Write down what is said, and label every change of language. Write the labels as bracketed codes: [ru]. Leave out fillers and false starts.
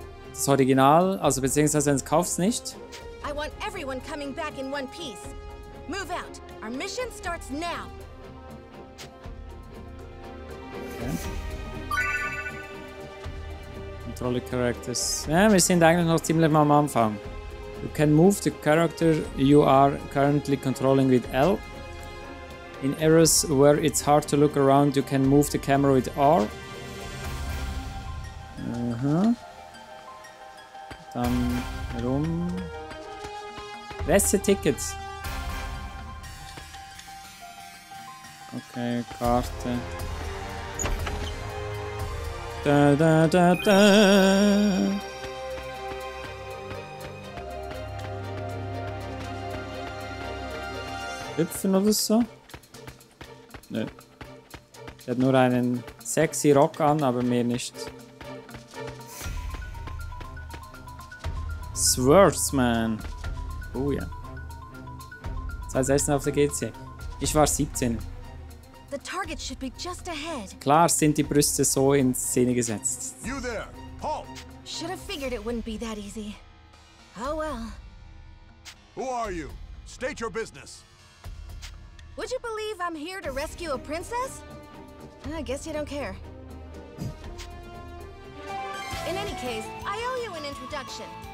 [de] Das Original, also beziehungsweise wenn du es kaufst, nicht. [en] I want everyone coming back in one piece. Move out. Our mission starts now. Controller characters. [de] Ja, wir sind eigentlich noch ziemlich am Anfang. [en] You can move the character you are currently controlling with L. In areas where it's hard to look around, you can move the camera with R. [de] Dann rum. Beste Tickets. Okay, Karte. Da, da, da, da. Hüpfen oder so? Nö. Sie hat nur einen sexy Rock an, aber mehr nicht. Swordsman. Oh ja. Sei das erste auf der GC. Ich war 17. [en] The target should be just ahead. [de] Klar sind die Brüste so in Szene gesetzt. [en] You there, halt! Should have figured it wouldn't be that easy. Oh well. Who are you? State your business. Would you believe I'm here to rescue a princess? I guess you don't care. In any case, I owe you an introduction.